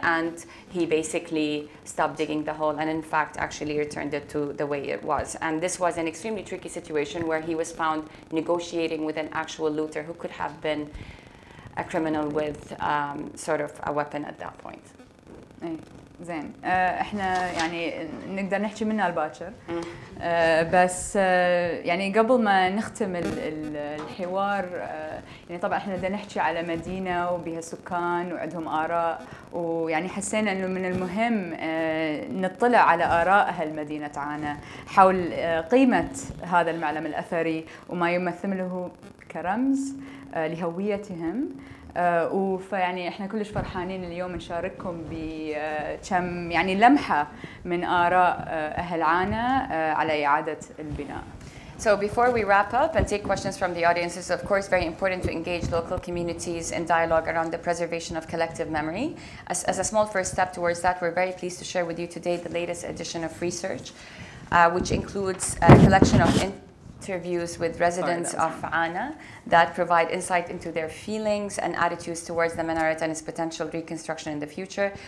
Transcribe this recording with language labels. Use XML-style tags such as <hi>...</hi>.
<en>And he basically stopped digging the hole and, in fact, actually returned it to the way it was. And this was an extremely tricky situation where he was found negotiating with an actual looter who could have been a criminal with sort of a weapon at that point.</en> <ar>إيه زين إحنا يعني نقدر نحكي منها الباكر بس يعني قبل ما نختم الحوار يعني طبعا إحنا دا نحكي على مدينة وبها سكان وعندهم آراء ويعني حسينا إنه من المهم نطلع على آراء هالمدينة عنا حول قيمة هذا المعلم الأثري وما يمثله كرمز لهويتهم وفيعني احنا كلش فرحانين اليوم نشارككم بكم يعني لمحه من اراء اهل عانا على اعاده البناء.</ar> <en>So before we wrap up and take questions from the audience, it's of course very important to engage local communities in dialogue around the preservation of collective memory. As a small first step towards that, we're very pleased to share with you today the latest edition of research, which includes a collection of interviews with residents of Anah that provide insight into their feelings and attitudes towards the minaret and its potential reconstruction in the future.</en>